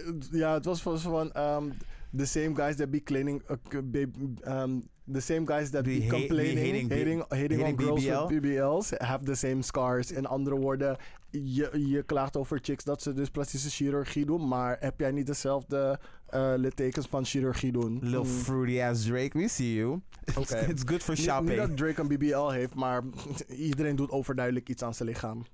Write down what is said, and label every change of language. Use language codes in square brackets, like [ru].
[nl] Ja, het was volgens mij van [en] the same guys that be cleaning... the same guys that be complaining, hating on girls BBL. With BBLs have the same scars. [nl] In andere woorden, je klaagt over chicks dat ze dus plastische chirurgie doen, maar heb jij niet dezelfde littekens van chirurgie doen? [en] Little fruity ass Drake, we see you. Okay. It's good for shopping. [nl] Niet dat Drake een BBL heeft, maar iedereen doet overduidelijk iets aan zijn lichaam.